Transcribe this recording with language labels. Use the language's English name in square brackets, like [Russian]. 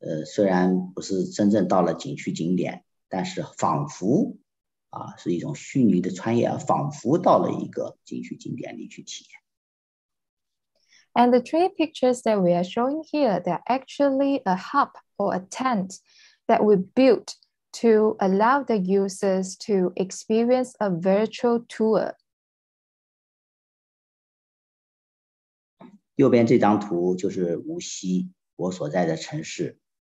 [Chinese] 下一张是虚拟旅游体验盆，虽有虚拟旅游的场景体验盆，这是一个棚子啊，我们游客在里面就是，虽然不是真正到了景区景点。但是仿佛啊，是一种虚拟的穿越，仿佛到了一个景区景点里去体验。And [English] the three pictures that we are showing here, they're actually a hub or a tent that we built to allow the users to experience a virtual tour. [Chinese] 右边这张图就是无锡，我所在的城市。